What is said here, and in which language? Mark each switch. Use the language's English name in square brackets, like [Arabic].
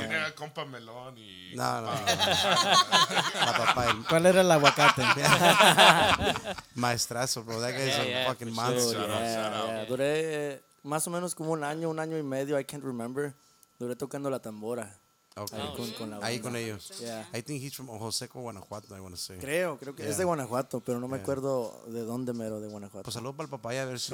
[Spanish] Tiene compa melón y... No. La papaya. ¿Cuál era el aguacate? [English] Maestrazo, bro. That guy's a fucking monster. Shout out, shout out. [Spanish] Duré más o menos como un año y medio, [English] I can't remember. [Spanish] Duré tocando la tambora. Okay. Ahí, con la banda. Ahí con ellos. [English] Yeah. I think he's from Ojoseco, Guanajuato, I want to say. [Spanish] Creo que es de Guanajuato, pero no me acuerdo de dónde mero de Guanajuato. Pues saludos para el papaya, a ver si...